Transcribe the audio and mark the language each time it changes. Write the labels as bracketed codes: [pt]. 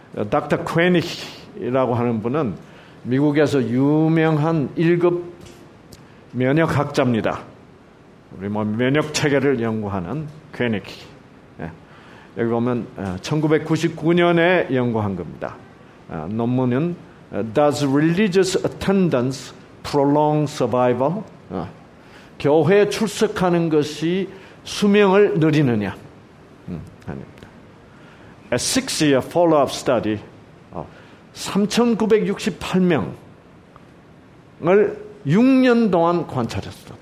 [ko] 닥터 퀘닉이라고 하는 분은 미국에서 유명한 1급 면역학자입니다. 우리 뭐 면역 체계를 연구하는 퀘닉. 예. 여기 보면 1999년에 연구한 겁니다. 논문은 [en] Does religious attendance prolong survival? [ko] 교회에 출석하는 것이 수명을 늘리느냐? 아닙니다. [en] A six-year follow-up study, [ko] 3,968명을 6년 동안 관찰했어요.